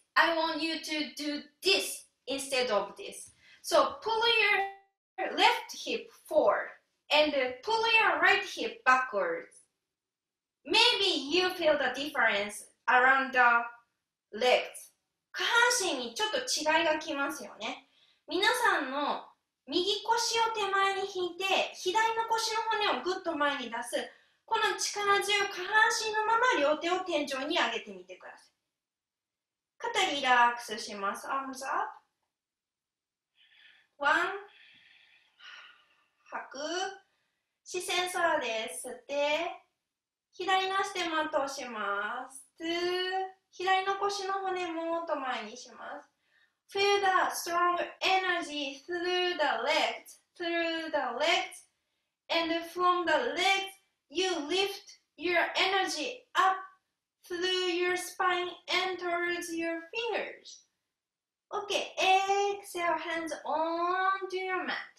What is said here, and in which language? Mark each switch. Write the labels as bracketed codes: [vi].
[en] I want you to do this instead of this. So pull your... Left hip forward and pull your right hip backwards. Maybe you feel the difference around the legs. [ja] 下半身にちょっと違いがきますよね。皆さんの右腰を手前に引いて左の腰の骨をグッと前に出すこの力強い下半身のまま両手を天井に上げてみてください。肩リラックスします。 [en] Arms up. One. [ja] 吐く。視線空です。吸って。左の足でマットをします。ツー。左の腰の骨もっと前にします。 [en] Feel the strong energy through the legs, through the legs, and from the legs, you lift your energy up through your spine and towards your fingers. Okay, exhale, hands onto your mat.